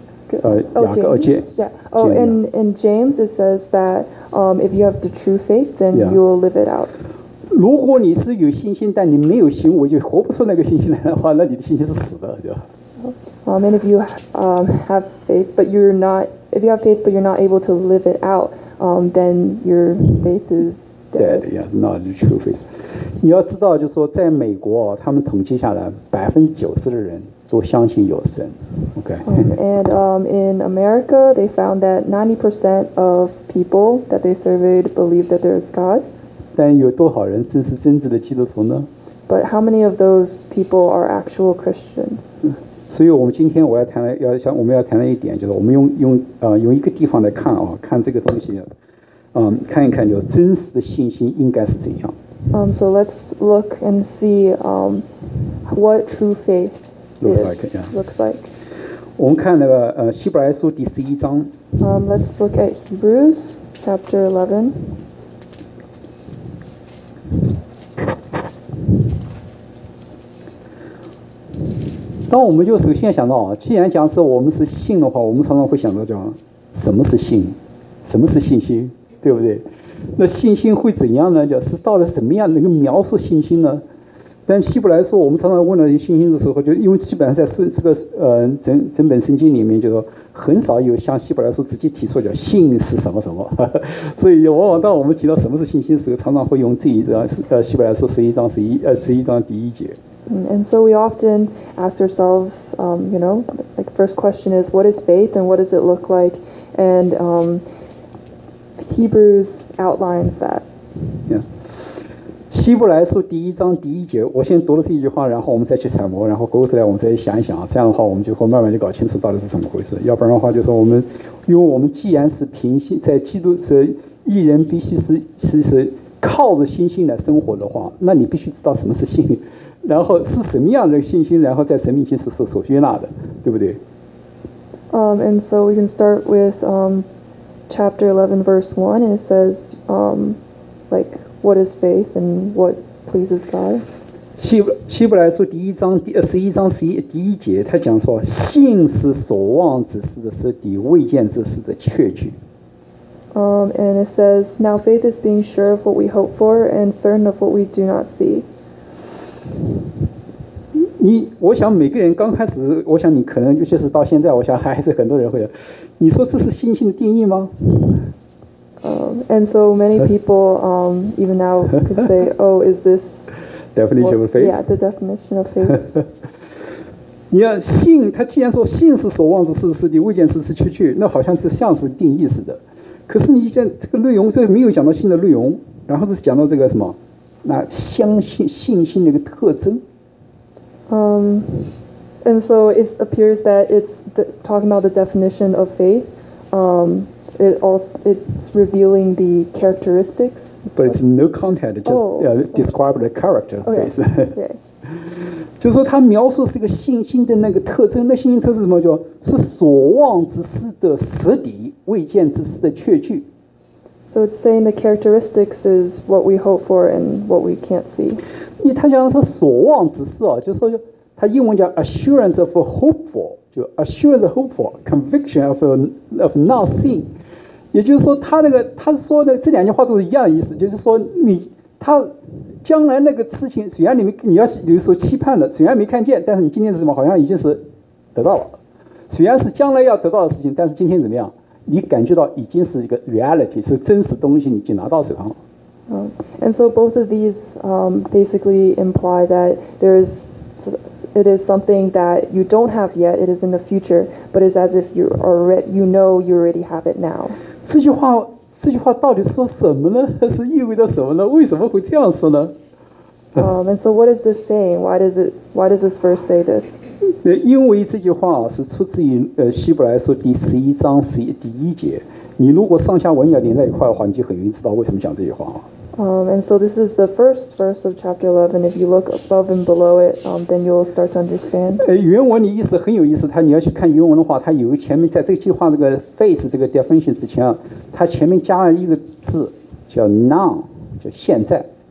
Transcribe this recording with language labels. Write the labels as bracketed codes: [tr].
[en] In James it says that if you have the true faith, then you will live it out. [zh] 如果你是有信心，但你没有行为，就活不出那个信心来的话，那你的信心是死的，对吧？ [en] And if you have faith, but you're not, if you have faith but you're not able to live it out, then your faith is dead. Yeah, it's not the true faith. [zh] 你要知道，就是说在美国，他们统计下来，90%的人。都相信有神 okay. [en] In America, they found that 90% of people that they surveyed believe that there is God. [zh] 但有多少人真是真正的基督徒呢？ [en] But how many of those people are actual Christians? [zh] 所以我们今天我要谈的，要想我们要谈的一点，就是我们用一个地方来看啊，看这个东西，看一看就真实的信心应该是怎样。 [en] So let's look and see what true faith. Looks like, yeah. Looks like. 我们看那个希伯来书第11章。 Let's look at Hebrews chapter 11. [zh] 当我们就首先想到，既然讲是我们是信的话，我们常常会想到讲什么是信，什么是信心，对不对？那信心会怎样呢？就是到了什么样能够描述信心呢？但希伯来说，我们常常问到信心的时候，就因为基本上在这个整本圣经里面，就说很少有像希伯来说直接提出叫信是什么什么，所以往往当我们提到什么是信心的时候，常常会用这一章希伯来说十一章第一节。 [en] And so we often ask ourselves, you know, like first question is what is faith and what does it look like, and Hebrews outlines that. Yeah. [zh] 希伯来书第一章第一节，我先读了这一句话，然后我们再去揣摩，然后勾出来我们再想一想，这样的话我们就会慢慢就搞清楚到底是怎么回事。要不然的话，就说我们，因为我们既然是凭信在基督，是义人必须是靠着信心来生活的话，那你必须知道什么是信，然后是什么样的信心，然后在神面前是所接纳的，对不对？ [en] And so we can start with chapter 11 verse 1, and it says like. What is faith and what pleases God? [zh] 希伯来书第一章第十一章十一第一节，他讲说，信是所望之事的实底，未见之事的确据。 [en] And it says, now faith is being sure of what we hope for and certain of what we do not see. [zh] 我想每个人刚开始，我想你可能尤其是到现在，我想还是很多人会，你说这是信心的定义吗？ [en] And so many people, even now, could say, "Oh, is this definition of faith?" Yeah, the definition of faith. [zh] 你看，信，他既然说信是所望之事实底，未见之事确据，那好像是像是定义似的。可是你讲这个内容，这没有讲到信的内容，然后是讲到这个什么？那相信信心的一个特征。 [en] And so it appears that it's talking about the definition of faith. It's revealing the characteristics. But it's no content, describe the character of faith. [zh] 就是说他描述是一个信心的那个特征，那信心特征是什么？就是所望之事的实底，未见之事的确据。 [en] So it's saying the characteristics is what we hope for and what we can't see. [zh] 因为他讲的是所望之事啊，就是说他英文叫 assurance of hope for, 就 assurance of hope for, conviction of not seeing. 也就是说他那个他说的这两句话都是一样的意思，就是说你他将来那个事情虽然你要有所期盼的，虽然没看见，但是你今天是什么好像已经是得到了，虽然是将来要得到的事情，但是今天怎么样你感觉到已经是一个 reality, 是真实东西，你已经拿到手上了。 [en] And so both of these basically imply that it is something that you don't have yet, it is in the future, but it's as if you know you already have it now. [zh] 这句话到底说什么呢？是意味着什么呢？为什么会这样说呢？ [en] And so what is this saying? Why does this verse say this? [zh] 因为这句话是出自于希伯来书第十一章第一节。你如果上下文要连在一块的话，你就很容易知道为什么讲这句话。 [en] And so this is the first verse of chapter 11. If you look above and below it, then you'll start to understand. [zh] 原文的意思很有意思，它你要去看原文的话，它有前面在这个计划这个 face 这个 definition 之前，它前面加了一个字叫 now， 叫现在。